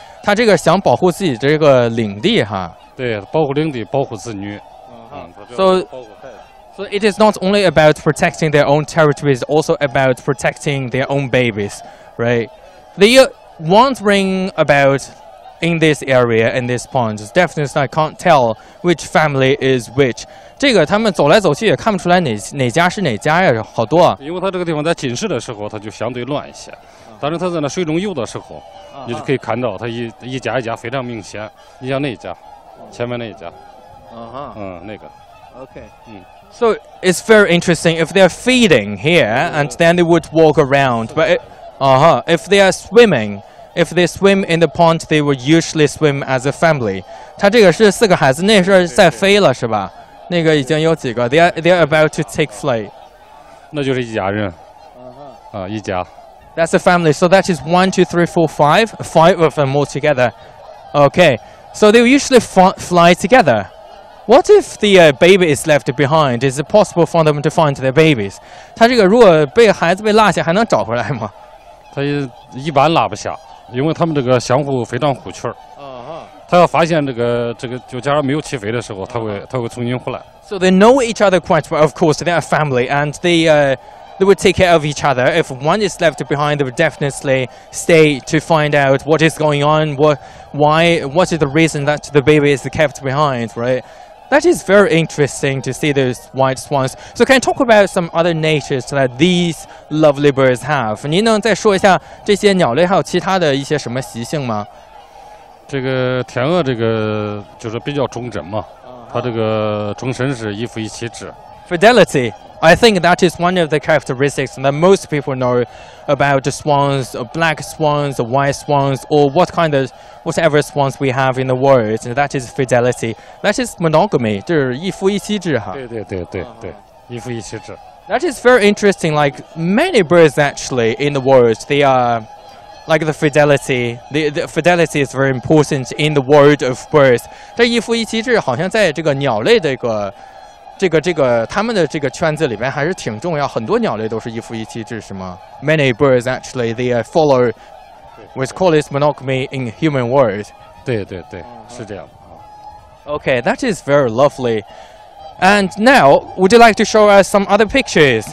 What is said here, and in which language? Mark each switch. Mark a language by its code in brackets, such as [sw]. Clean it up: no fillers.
[zh] 他这个想保护自己这个领地哈。对，保护领地，保护子女。 [en] So it is not only about protecting their own territories, also about protecting their own babies, right? They are wondering about in this area, in this pond. Definitely, I can't tell which family is which. [zh] 这个他们走来走去也看不出来哪家是哪家呀，好多啊。因为它这个地方在进食的时候，它就相对乱一些。但是它在那水中游的时候，你就可以看到它一家一家非常明显。你像那一家，前面那一家，那个。 [en] Okay. So it's very interesting. If they're feeding here, and then they would walk around. But if they are swimming, if they swim in the pond, they would usually swim as a family. [zh] 它这个是四个孩子，那是在飞了，是吧？那个已经有几个 [en] ，they are about to take flight， [zh] 那就是一家人，一家。 [en] That's a family. So that is 1, 2, 3, 4, 5 of them all together. Okay. So they usually fly together. What if the baby is left behind? Is it possible for them to find their babies? [zh] 他这个如果被孩子被落下，还能找回来吗？他一般落不下，因为他们这个相互非常互缺。他要发现这个就假如没有起飞的时候，他会重新回来。 [en] So they know each other quite well, of course. They are family, and they would take care of each other. If one is left behind, they would definitely stay to find out what is going on, what is the reason that the baby is kept behind, right? That is very interesting to see those white swans. So can you talk about some other natures that these lovely birds have? [zh] 您能再说一下这些鸟类还有其他的一些什么习性吗？这个天鹅这个就是比较忠贞嘛，它这个终身是一夫一妻制。 [en] Fidelity, I think that is one of the characteristics that most people know about the swans, black swans, white swans, or whatever swans we have in the world. And that is fidelity. That is monogamy, [zh] 就是一夫一妻制哈。对，一夫一妻制。 [en] That is very interesting. Like many birds actually in the world, they are. Like the fidelity is very important in the world of birds. [zh] 这一夫一妻制好像在这个鸟类这个，他们的这个圈子里面还是挺重要。很多鸟类都是一夫一妻制，是吗 [en] ？Many birds actually they follow with callous monogamy in human world. [zh] 对，是这样。 [en] Okay, that is very lovely. And now, would you like to show us some other pictures?